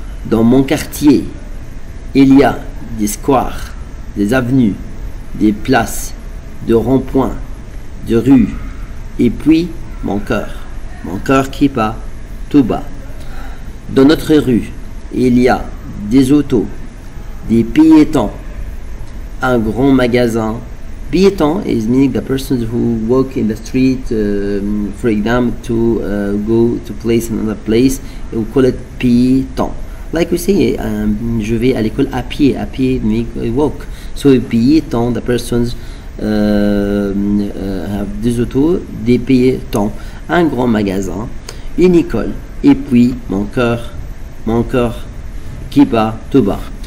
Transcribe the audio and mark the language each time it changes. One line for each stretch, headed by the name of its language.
French: Dans mon quartier, il y a des squares, des avenues, des places, des ronds-points, des rues. Et puis, mon cœur qui bat, tout bat. Dans notre rue, il y a des autos, des piétons, un grand magasin.
English: Piéton is meaning the person who walk in the street, for example, to go to place another place. We call it piéton. Like we say,
French: je vais à l'école à pied.
English: À pied means walk. So piéton, the persons have
French: des autos, des piétons, un grand magasin, une école, et puis mon cœur qui bat tout bas.